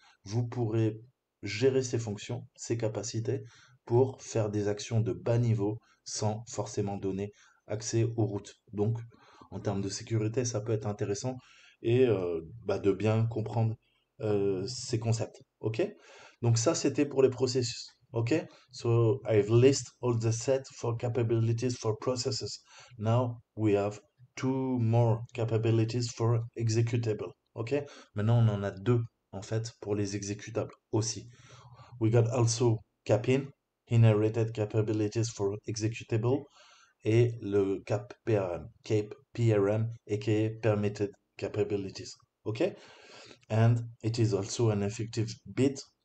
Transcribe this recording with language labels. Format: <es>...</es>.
<fr>Vous pourrez gérer ces fonctions, ces capacités, pour faire des actions de bas niveau sans forcément donner accès au root. Donc, en termes de sécurité, ça peut être intéressant et de bien comprendre ces concepts. Ok? Donc, ça, c'était pour les processus.</fr> <en>Okay, so I've list all the set for capabilities for processes. Now we have two more capabilities for executable.</en> <fr>Okay, maintenant on en a deux en fait pour les exécutables aussi.</fr> <en>We got also cap in, inherited capabilities for executable,</en> <fr>et le</fr> <en>cap PRM, cap PRM, aka permitted capabilities. Okay, and it is also an effective bit.</en>